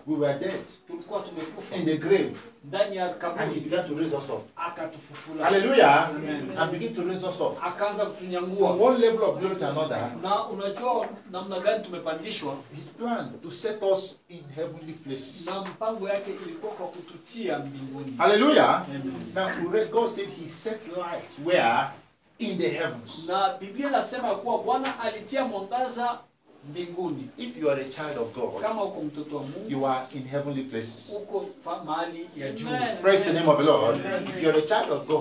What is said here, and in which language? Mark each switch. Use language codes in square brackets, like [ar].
[en] We were dead. [sw] Tulikuwa tumekufa. [en] In the grave. [sw] Ndani ya kaburi. [en] And he began to raise us up. [sw] Akatufufua. [en] Hallelujah. Amen. And begin to raise us up. [sw] Akaanza kutunyangua. [en] From one level of glory to another. [sw] Na unajua namna gani tumepandishwa. [en] His plan to set us in heavenly places. [sw] Na mpango yake ilikuwa kwa kututia mbinguni. [en] Hallelujah. Amen. Now God said he set light where? In the heavens. [sw] Na Biblia inasema kuwa Bwana alitia mwangaza mbinguni. [en] If you are a child of God, [sw] kama uko mtoto wa Mungu, [en] you are in heavenly places. [sw] Uko mahali ya juu. [en] Praise the name of the Lord. If you are a child of God,